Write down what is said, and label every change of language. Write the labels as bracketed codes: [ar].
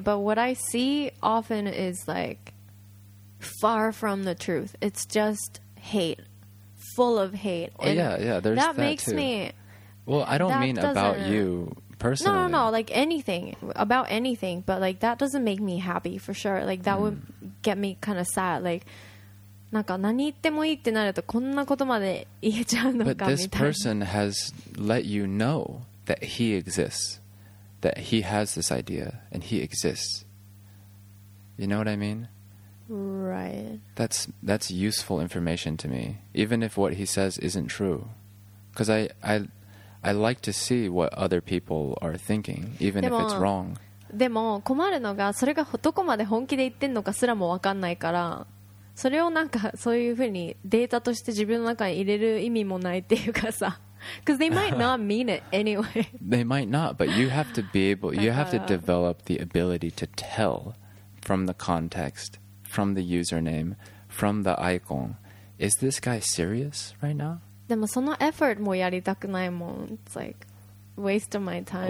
[en] But what I see often is like far from the truth. It's just hate, full of hate. Oh, yeah, yeah. There's that makes too. Me. Well, I don't mean about you personally. No, no, no. Like anything, about anything. But like that doesn't make me happy for sure. Like that would get me kind of sad. [ja] Like, なんか何言ってもいいってなるとこんなことまで言えちゃうのかみたいな。 [en] But this person has let you know. That he exists, that he has this idea, and he exists. You know what I mean? Right. That's useful information to me, even if what he says isn't true. Because I like to see what other people are thinking, even if it's wrong. [ja] でも困るのがそれがどこまで本気で言ってんのかすらも分かんないから、それをなんかそういうふうにデータとして自分の中に入れる意味もないっていうかさ。 [en] Because they might not mean it anyway. They might not, but you have to be able, you have to develop the ability to tell from the context, from the username, from the icon. Is this guy serious right now? [ja] でもその effort もやりたくないもん。 [en] It's like waste of my time.